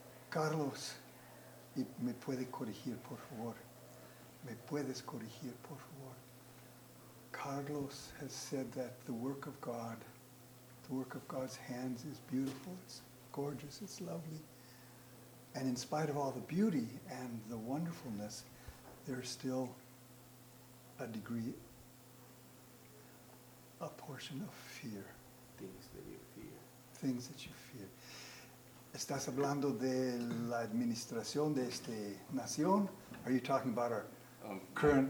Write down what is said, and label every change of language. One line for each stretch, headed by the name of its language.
Spanish: Carlos, y me puede corregir, por favor. ¿Me puedes corregir, por favor?
English: Carlos has said that the work of God, the work of God's hands is beautiful, it's gorgeous, it's lovely. And in spite of all the beauty and the wonderfulness, there's still a degree, a portion of fear. Things that you fear. Things that you fear.
Spanish: ¿Estás hablando de la administración de esta nación?
English: Are you talking about our current